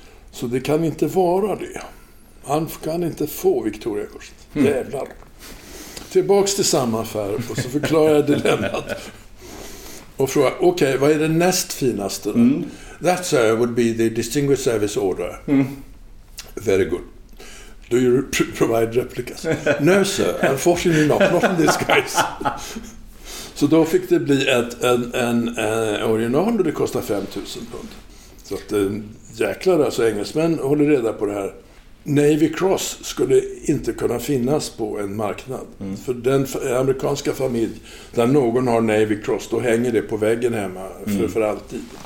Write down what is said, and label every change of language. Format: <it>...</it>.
<sv>Så det kan inte vara det. Han kan inte få Victoria-korset. Mm. Jävlar. Tillbaks till samma affär och så förklarar jag dilemmat. Och frågar, okej, vad är det näst finaste? Mm.</sv> <en>That, sir, would be the Distinguished Service Order. Mm. Very good. Do you provide replicas? No, sir, unfortunately not. Not in this case.</en> <sv>Så då fick det bli en original och det kostade 5,000 pund. Så att jäklar, alltså engelsmän håller reda på det här. Navy Cross skulle inte kunna finnas på en marknad. Mm. För den amerikanska familj där någon har Navy Cross, då hänger det på väggen hemma för alltid.</sv>